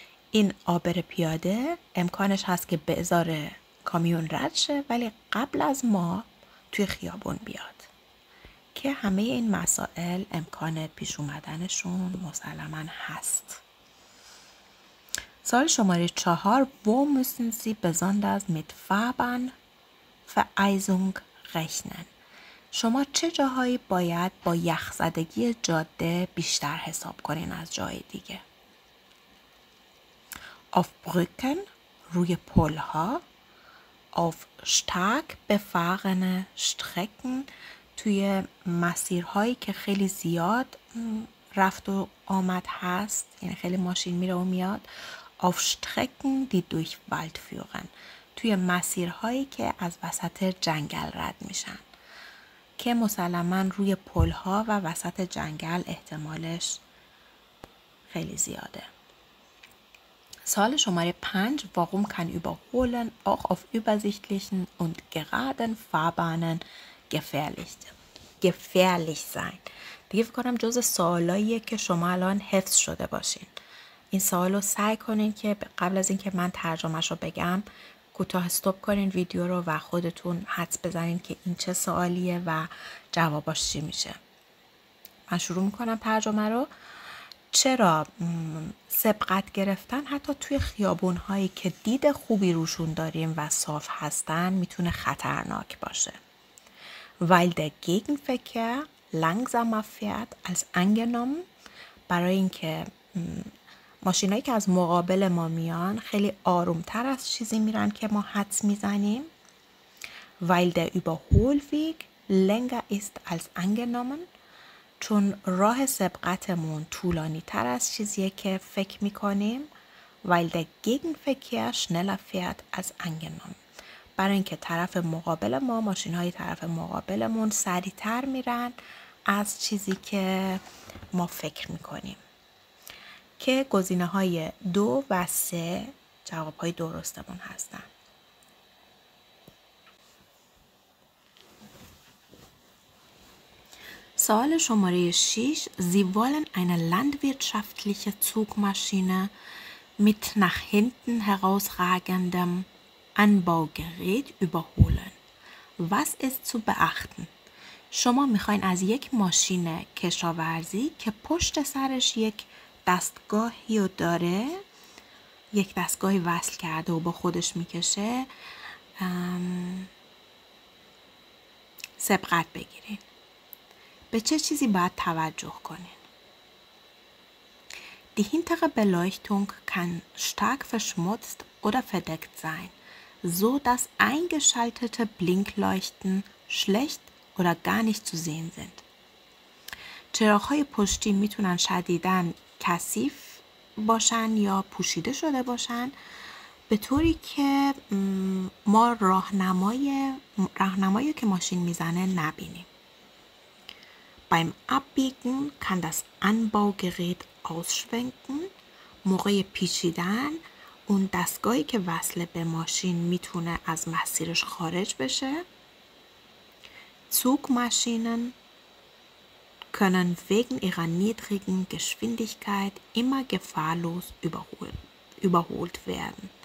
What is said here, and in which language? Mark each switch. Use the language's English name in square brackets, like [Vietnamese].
[Persian] این عابر پیاده امکانش هست که بذاره کامیون رد شه ولی قبل از ما توی خیابون بیاد، که همه این مسائل امکان پیش اومدنشون مسلماً هست. سوال شماره 4: [German] Wo müssen Sie besonders mit Fahrbahnvereisung rechnen؟ [Persian] شما چه جاهایی باید با یخزدگی جاده بیشتر حساب کنین از جای دیگه؟ [German] Auf Brücken, [Persian] روی پل‌ها، [German] auf stark befahrene Strecken، [Persian] توی مسیرهایی که خیلی زیاد رفت و آمد هست، یعنی خیلی ماشین میره و میاد. [German] Auf Strecken, die durch Wald führen. [Persian] توی مسیرهایی که از وسط جنگل رد میشن. که مسلماً روی پلها و وسط جنگل احتمالش خیلی زیاده. سوال شماره 5. [German] Warum kann überholen auch auf übersichtlichen und geraden Fahrbahnen gefährlich sein? [Persian] دیگه فکر کنم جز سوالاییه که شما الان حفظ شده باشین. این سوال رو سعی کنین که قبل از اینکه من ترجمهش رو بگم کوتاه استوب کنین ویدیو رو و خودتون حدس بزنین که این چه سوالیه و جواباش چی میشه. من شروع میکنم ترجمه رو. چرا سبقت گرفتن حتی توی خیابون‌هایی که دید خوبی روشون داریم و صاف هستن میتونه خطرناک باشه؟ [German] Weil der Gegenverkehr langsamer fährt als angenommen. [Persian] برای اینکه ماشینایی که از مقابل ما میان خیلی آرومتر از چیزی میرن که ما حدس میزنیم. [German] Weil der Überholweg länger ist als angenommen. [Persian] چون راه سبقتمون طولانی تر از چیزیه که فکر میکنیم. [German] Weil der Gegenverkehr schneller fährt als angenommen. [Persian] برای اینکه طرف مقابل ما ماشین های طرف مقابلمون سریع تر میرن از چیزی که ما فکر میکنیم. که گزینه های 2 و 3 جواب های درستمون هستن. سوال شماره 6. [German] Sie wollen eine landwirtschaftliche Zugmaschine mit nach hinten herausragendem Anbaugerät überholen. Was ist zu beachten? [Persian] شما میخواین از یک ماشین کشاورزی که پشت سرش یک دستگاهی رو داره، یک دستگاهی وصل کرده و با خودش میکشه، سبقت بگیرین. به چه چیزی باید توجه کنین؟ [German] Die hintere Beleuchtung kann stark verschmutzt oder verdeckt sein, so dass eingeschaltete Blinkleuchten schlecht oder gar nicht zu sehen sind. [Persian] چراغ‌های پشتی میتونن شدیداً کثیف باشن یا پوشیده شده باشن به طوری که ما راهنمایی که ماشین میزنه نبینیم. [German] Beim Abbiegen kann das Anbaugerät ausschwenken. [Persian] موقع پیچیدن اون دستگاهی که وصل به ماشین میتونه از مسیرش خارج بشه. [German] Zugmaschinen können wegen ihrer niedrigen Geschwindigkeit immer gefahrlos überholt werden.